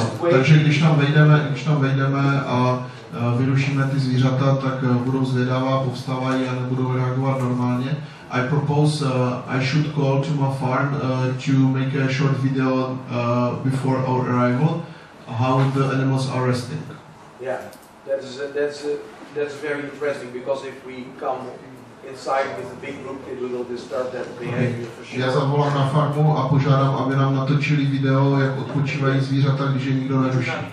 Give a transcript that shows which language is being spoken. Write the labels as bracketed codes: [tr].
[cs] Takže když tam vejdeme a vyrušíme ty zvířata, tak budou zvědavá, povstávají a nebudou reagovat normálně. [en] I propose I should call to my farm to make a short video before our arrival, how the animals are resting. Yeah, that's very interesting, because if we come inside with a big group, it will disturb that behavior for sure. [cs] Já zavolám na farmu a požádám, aby nám natočili video, jak odpočívají zvířata, když je nikdo neruší.